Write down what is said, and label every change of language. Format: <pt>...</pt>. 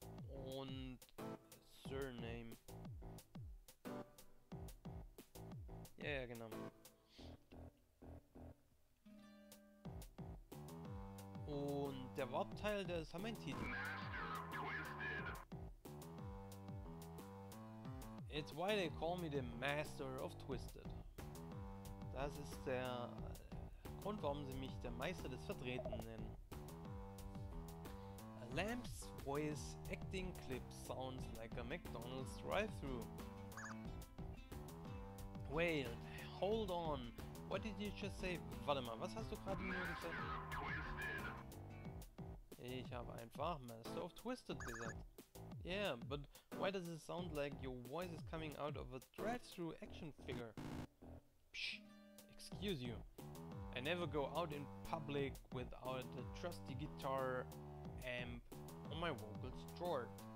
<de>Und Surname. Ja, ja, genau. Und der Warp-Teil, der ist mein Titel.</de> <en>It's why they call me the Master of Twisted.</en> <de>Das ist der Grund, warum sie mich der Meister des Verdrehten nennen.</de> <en>Lamp's voice acting clip sounds like a McDonald's drive-thru. Wait, hold on. What did you just say?</en> <de>Warte mal, was hast du gerade mir gesagt? Ich habe einfach Master of Twisted gesagt.</de> <en>Yeah, but why does it sound like your voice is coming out of a drive-thru action figure? Psh, excuse you. I never go out in public without a trusty guitar amp on my vocals drawer.</en>